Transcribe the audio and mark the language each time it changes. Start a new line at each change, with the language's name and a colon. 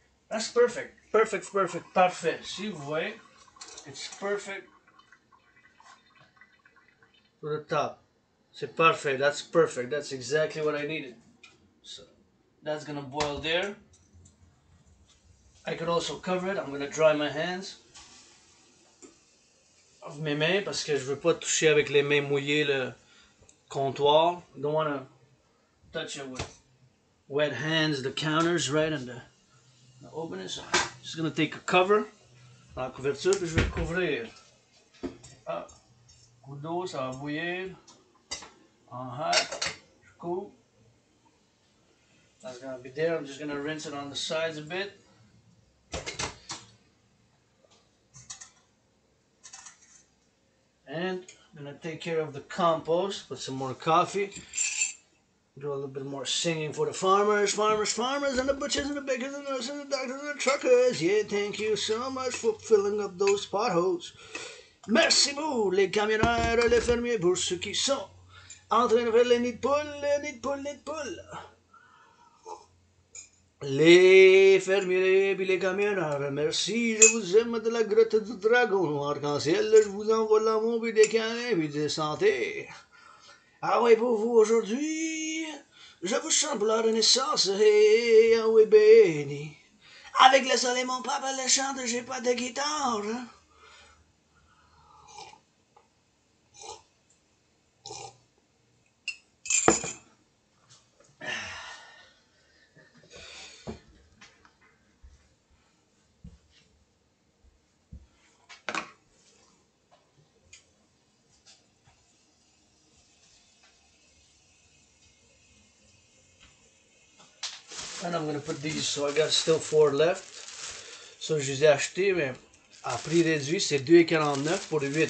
English: That's perfect, perfect, perfect, parfait.
French: Si vous voyez,
English: it's perfect for the top.
French: C'est parfait,
English: that's exactly what I needed. So that's gonna boil there. I could also cover it, I'm gonna dry my hands.
French: Of mes mains parce que je veux pas toucher avec les mains mouillées le comptoir.
English: I don't want to touch it with wet hands, the counters, right, and the open it. So I'm just going to take a cover,
French: la couverture, puis je vais couvrir. Ah, coup d'eau, ça va bouillir. En hot, je coupe.
English: That's going to be there. I'm just going to rinse it on the sides a bit. And I'm gonna take care of the compost, put some more coffee. Do a little bit more singing for the farmers, and the butchers, and the bakers, and the nurses, and the doctors, and the truckers. Yeah, thank you so much for filling up those potholes.
French: Merci beaucoup, les camionneurs, les fermiers, pour ceux qui sont en train de faire les nids de poules, les nids de poules, les nids de poules. Les fermiers et les camionneurs, merci, je vous aime de la grotte du dragon. Arc-en-ciel, je vous envoie l'amour, puis des câlins, puis des santé. Ah oui, pour vous aujourd'hui, je vous chante pour la renaissance, hey, ah oui, béni. Avec le soleil, mon papa le chante, j'ai pas de guitare.
English: And I'm gonna put these, so I got still four left.
French: So je les ai achetés, mais à prix réduit, c'est 2,49 pour 8.